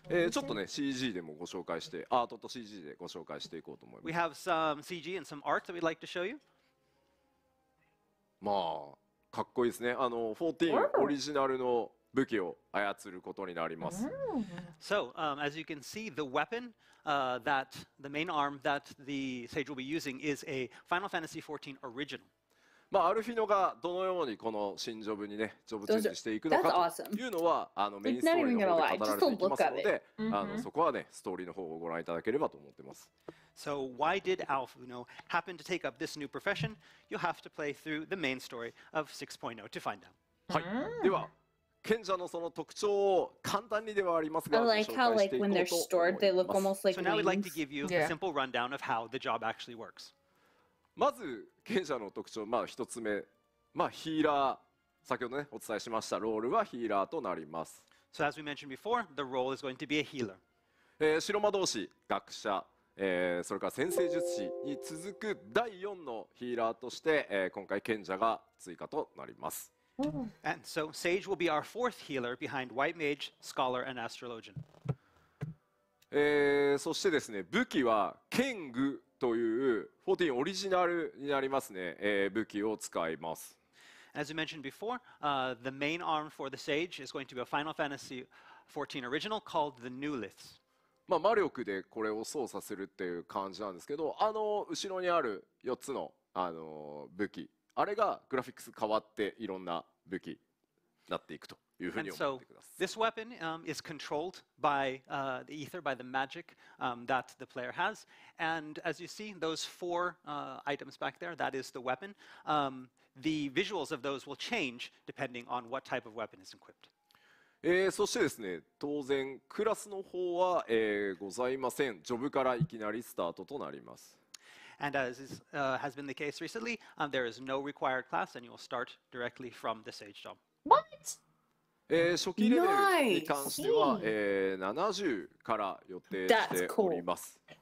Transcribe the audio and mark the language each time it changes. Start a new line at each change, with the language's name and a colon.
Japanese: ちょっとね、CG でもご紹介して、アートと CG でご紹介していこうと思います。
English: We have some CG and some art that we'd like to show you.
Japanese: まあ、かっこいいですね。14 オリジナルの武器を操ることになります。
English: So, as you can see, the weapon, that the main arm that the Sage will be using is a Final Fantasy 14 original.
Japanese: まあ、アルフィノがどのようにこの新ジョブにね、ジョブチェンジしていくのかというのは、メインストーリーの方で語られていきますので、そこはね、ストーリーの方をご覧いただければと思ってます。
English: So why did Alfino happen to take up this new profession? You have to play through the main story of 6.0 to find out.
Japanese: はい、では、賢者のその特徴を簡単にではありますが、紹介していこうと思います。
English: I like how, like, when they're stored, they look almost like wings. So now we'd like to give you a simple rundown of how the job actually works.
Japanese: まず賢者の特徴、まあ一つ目、まあヒーラー、先ほどねお伝えしましたロールはヒーラーとなります。
English: So as we mentioned before, the role is going to be a healer.
Japanese: 白魔導士、学者、それから先制術師に続く第4のヒーラーとして、今回賢者が追加となります。
English: And so Sage will be our fourth healer behind White Mage, Scholar, and Astrologian.
Japanese: そしてですね、武器は剣具。という14オリジナルになりますね、武器を使います。
English: As you mentioned before, the main arm for the Sage is going to be a Final Fantasy 14 original called the Nulith.
Japanese: まあ魔力でこれを操作するっていう感じなんですけど、後ろにある4つの武器、あれがグラフィックス変わっていろんな武器になっていくというふうに思ってください。
English: And so, this weapon, is controlled by, the ether, by the magic, that the player has. And as you see, those four, items back there, that is the weapon. The visuals of those will change depending on what type of weapon is equipped.
Japanese: そしてですね、当然クラスの方は、ございません。ジョブからいきなりスタートとなります。
English: And as is, has been the case recently, there is no required class and you will start directly from the Sage job. What?
Japanese: 初期レベルに関しては、70から予定しております。